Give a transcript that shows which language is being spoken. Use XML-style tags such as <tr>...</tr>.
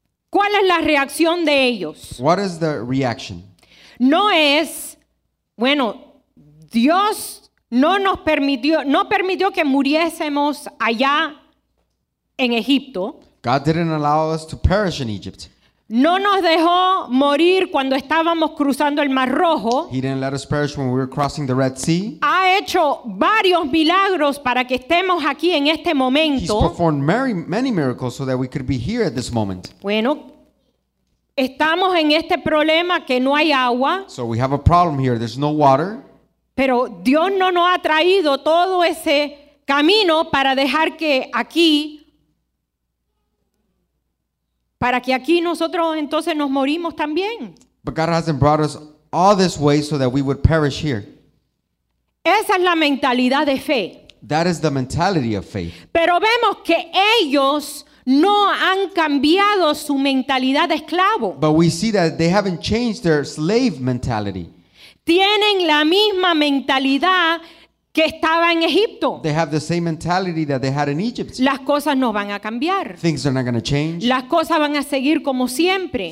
<es>¿Cuál es la reacción de ellos?</es> <en>What is the reaction?</en> <es>No es, bueno, Dios no nos permitió, no permitió que muriésemos allá en Egipto.</es> <en>God didn't allow us to perish in Egypt.</en> <es>No nos dejó morir cuando estábamos cruzando el Mar Rojo.</es> <en>He didn't let us perish when we were crossing the Red Sea.</en> <es>Ha hecho varios milagros para que estemos aquí en este momento.</es> <en>He's performed many miracles so that we could be here at this moment.</en> <es>Bueno, estamos en este problema que no hay agua.</es> <en>So we have a problem here. There's no water.</en> <es>Pero Dios no nos ha traído todo ese camino para dejar que aquí, para que aquí nosotros entonces nos morimos también.</es> <en>But God hasn't brought us all this way so that we would perish here.</en> <es>Esa es la mentalidad de fe.</es> <en>That is the mentality of faith.</en> <es>Pero vemos que ellos no han cambiado su mentalidad de esclavo.</es> <en>But we see that they haven't changed their slave mentality.</en> <es>Tienen la misma mentalidad que estaba en Egipto.</es> <en>They have the same mentality that they had in Egypt.</en> <es>Las cosas no van a cambiar.</es> <en>Things are not going to change.</en> <es>Las cosas van a seguir como siempre.</es>